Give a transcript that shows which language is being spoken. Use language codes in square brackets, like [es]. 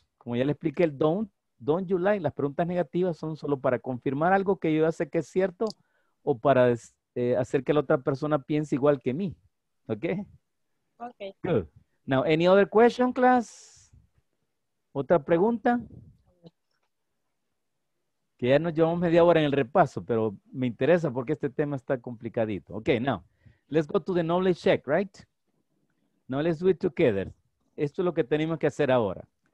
[es] Como ya le expliqué el don't you like, las preguntas negativas son solo para confirmar algo que yo ya sé que es cierto o para hacer que la otra persona piense igual que mí. ¿Ok? Ok. [en] Good. Now, any other question, class? [es] ¿Otra pregunta? Que ya nos llevamos media hora en el repaso, pero me interesa porque este tema está complicadito. [en] Ok, now, let's go to the knowledge check, right? Now, let's do it together. [es] Esto es lo que tenemos que hacer ahora.